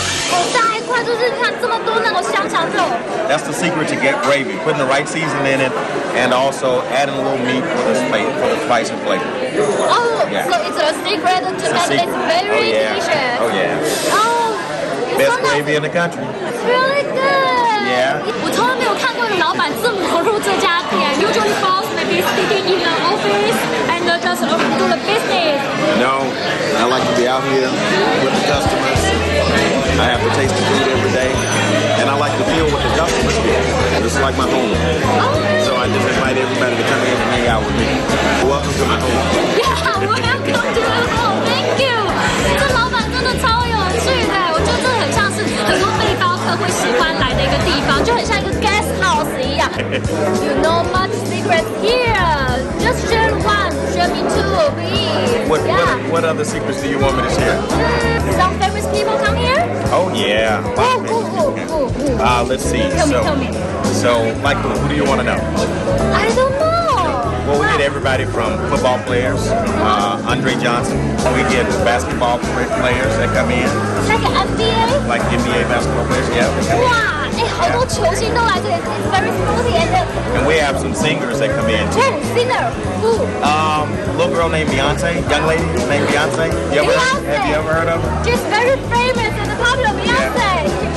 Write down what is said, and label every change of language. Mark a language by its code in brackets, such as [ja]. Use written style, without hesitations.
[zh] 好大一块，就是看这么多那个香肠肉。 [en] That's the secret to get gravy. Putting the right season in it, and also adding a little meat for the spice and flavor. Oh, yeah. So it's a secret to make this very delicious. Oh yeah. Oh, best gravy in the country. Really good. Yeah. [zh] 我从来没有看过的老板这么投入这家店。 [en] Usually boss may be sitting in the office and just do the business. No, I like to be out here with the customers. I have to taste the food every day, and I like to feel what the customers feel. This is like my home. So I just invite everybody to come in and hang out with me. Welcome to my home. Yeah, welcome to my home. Thank you. [zh] 这老板真的超有趣的，我觉得这很像是很多背包客会喜欢来的一个地方，就。很像一个 guest house 一样。 [en] You know much secrets here. Just share one, share me two, please. What,、yeah. what other secrets do you want me to share? Some famous people come here? Oh, yeah. Cool. Let's see. Tell me. So, Michael, who do you want to know? I don't know. Well, we get everybody from football players, Andre Johnson. We get basketball players that come in. Like NBA? Like NBA basketball players, yeah. Wow, yeah. [zh] 好多球星都来这里 [en] It's very sporty. And we have some singers that come in, too. Hey, singer, who? Little girl named Beyonce, young lady named Beyonce. Have you ever heard of her? She's very famous and popular, Beyonce.